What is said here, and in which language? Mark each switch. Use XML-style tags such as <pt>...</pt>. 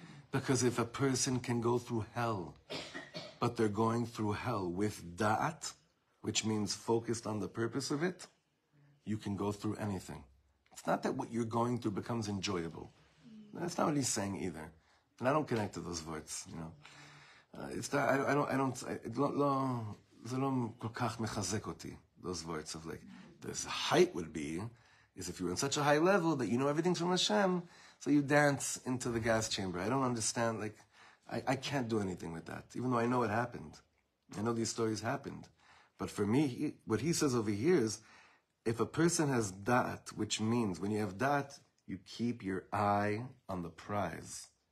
<en>Because if a person can go through hell, but they're going through hell with da'at, which means focused on the purpose of it, you can go through anything. It's not that what you're going through becomes enjoyable. That's not what he's saying either. And I don't connect to those words, you know. It's that I don't,</en> <he>זה לא כל כך מחזק אותי.</he> <en>those words of like, this height would be, is if you were in such a high level that you know everything's from Hashem, so you dance into the gas chamber. I don't understand, like, I can't do anything with that, even though I know it happened. I know these stories happened. But for me, what he says over here is, if a person has da'at, which means when you have da'at, you keep your eye on the prize.</en>